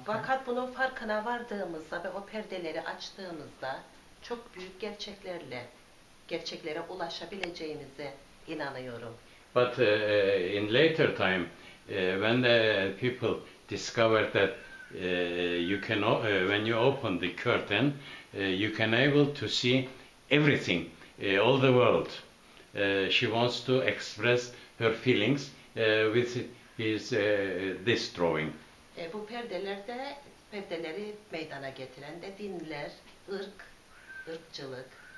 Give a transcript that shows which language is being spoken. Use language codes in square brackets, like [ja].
[tr] Fakat bunun farkına vardığımızda ve o perdeleri açtığımızda çok büyük gerçeklere ulaşabileceğimize inanıyorum. [en] But in later time, when the people discover that you can, when you open the curtain, you can able to see everything, all the world. She wants to express her feelings with is this drawing. [tr] Bu perdelerde perdeleri meydana getiren de dinler, ırk, ırkçılık.